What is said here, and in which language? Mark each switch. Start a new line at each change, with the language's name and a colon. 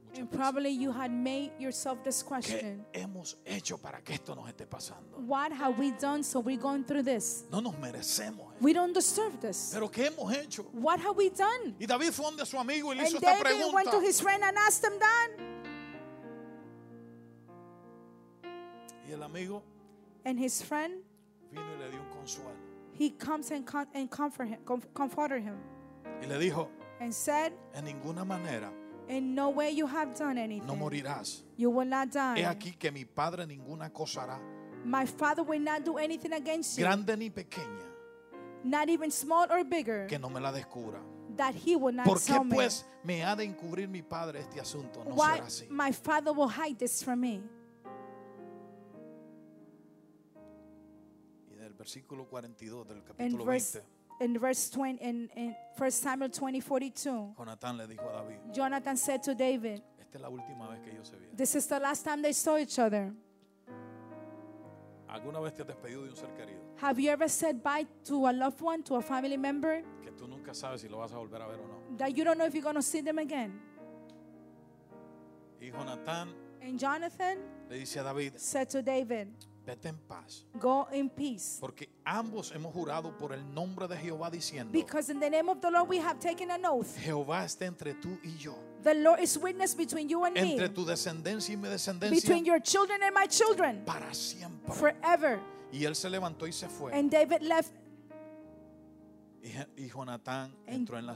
English: And probably you had made yourself this question.
Spanish: ¿Qué hemos hecho para que esto nos esté pasando?
English: What have we done so we're going through this?
Spanish: No nos merecemos.
English: We don't deserve this.
Spanish: ¿Pero qué hemos hecho?
English: What have we done?
Spanish: Y David fue donde su amigo y le hizo esta pregunta.
English: And David went to his friend and asked him that.
Spanish: Y el amigo.
English: And his friend.
Spanish: Vino y le dio un consuelo.
English: He comes and comforted him.
Spanish: Y le dijo.
English: And said.
Spanish: En ninguna manera.
English: In no way you have done anything.
Spanish: No morirás.
English: You will not die.
Spanish: He aquí que mi padre ninguna cosa hará.
English: My father will not do anything against you.
Spanish: Grande ni pequeña.
English: Not even small or bigger.
Spanish: Que no me la descubra.
English: That he will not tell me.
Spanish: ¿Por qué pues me ha de encubrir mi padre este asunto? No será así.
English: Why my father will hide this from me?
Spanish: Y del versículo 42 del capítulo 20.
English: In verse 20, in 1 Samuel 20:42,
Spanish: Jonathan le dijo a David.
English: Jonathan said to David,
Spanish: esta es la última vez que ellos se vieron.
English: This is the last time they saw each other.
Spanish: ¿Alguna vez te has despedido de un ser querido?
English: Have you ever said bye to a loved one, to a family member?
Spanish: Que tú nunca sabes si lo vas a volver a ver o no.
English: That you don't know if you're going to see them again.
Spanish: Y Jonathan,
English: and Jonathan
Spanish: le dice a David,
English: said to David,
Spanish: vete en paz.
English: Go in peace.
Spanish: Porque ambos hemos jurado por el nombre de Jehová diciendo.
English: Because in the name of the Lord we have taken an oath.
Spanish: Jehová está entre tú y yo.
English: The Lord is witness between you and
Spanish: entre
English: me.
Spanish: Entre tu descendencia y mi descendencia.
English: Between your children and my children.
Spanish: Para siempre.
English: Forever.
Spanish: Y él se levantó y se fue.
English: And David left.
Spanish: Y Jonathan entró en la